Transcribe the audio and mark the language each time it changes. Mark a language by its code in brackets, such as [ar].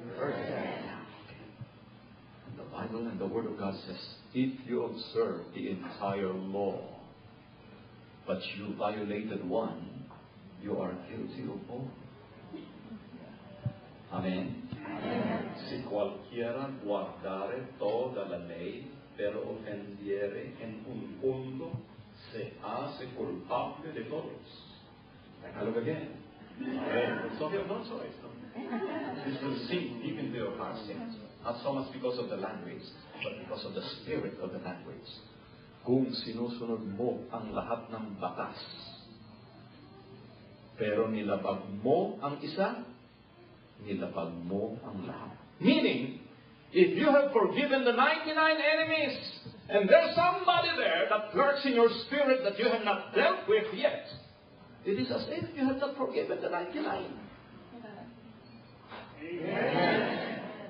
[en] And the Bible and the Word of God says, if you observe the entire law, but you violated one, you are guilty of all. Amen. [es] Si cualquiera guardare toda la ley, pero ofendiere en un punto, se hace culpable de todos. [en] I look again. So they have no choice. No? This will sink deep into your heart, sins. Not so much because of the language, but because of the spirit of the language. [tl] Kung sinusunod mo ang lahat ng batas, pero nilabag mo ang isa, nilabag mo ang lahat. [en] Meaning, if you have forgiven the 99 enemies, and there's somebody there that lurks in your spirit that you have not dealt with yet, it is as if you have not forgiven the 99. Amen.